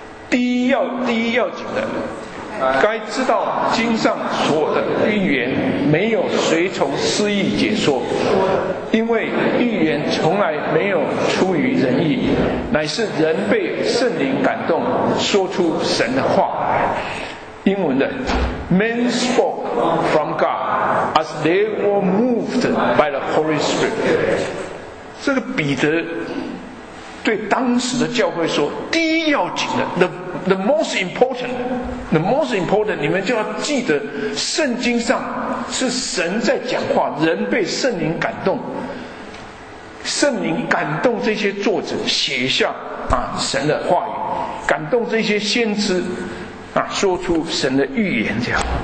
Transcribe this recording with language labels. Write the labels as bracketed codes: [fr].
[zh] 第一要紧的，该知道经上所有的预言没有随从私意解说，因为预言从来没有出于人意，乃是人被圣灵感动说出神的话。英文的 [en] Men spoke from God as they were moved by the Holy Spirit。 [zh] 这个彼得对当时的教会说，第一要紧的 [en] the most important [zh] 你们就要记得，圣经上是神在讲话，人被圣灵感动，圣灵感动这些作者写下啊神的话语，感动这些先知啊，说出神的预言这样。